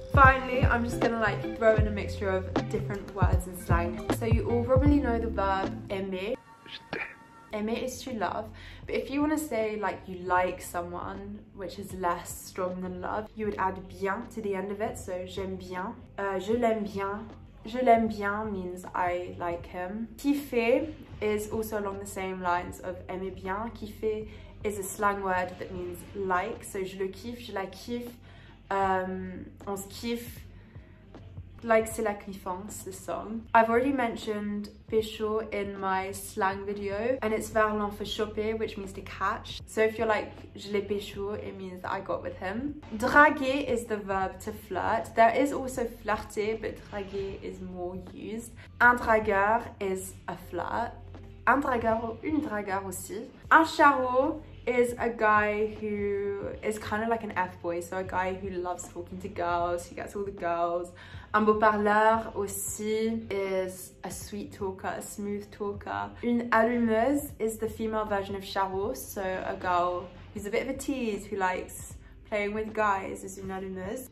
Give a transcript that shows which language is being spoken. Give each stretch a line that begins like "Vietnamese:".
English: Finally, I'm just gonna like throw in a mixture of different words and slang. So you all probably know the verb aimer. Aimer is to love, but if you want to say like you like someone, which is less strong than love, you would add bien to the end of it.
French: So j'aime bien, je l'aime bien. Je l'aime bien
English: means I like him. Kiffer is also along the same lines of aimer bien. Kiffer is a slang word that means like. So
French: je le kiffe, je la kiffe. On se kiffe,
English: like
French: c'est la kiffance,
English: the song. I've already mentioned pécho in my slang video, and it's verlan for choper, which means to catch. So if you're like,
French: je l'ai pécho,
English: it means that I got with him. Draguer is the verb to flirt. There is also flirter, but draguer is more used.
French: Un dragueur
English: is a flirt.
French: Un dragueur ou une dragueur aussi.
English: Un charreau is a guy who is kind of like an F-boy, so a guy who loves talking to girls, he gets all the girls.
French: Un beau parleur aussi
English: is a sweet talker, a smooth talker.
French: Une allumeuse
English: is the female version of charreau, so a girl who's a bit of a tease, who likes playing with guys, is
French: une allumeuse.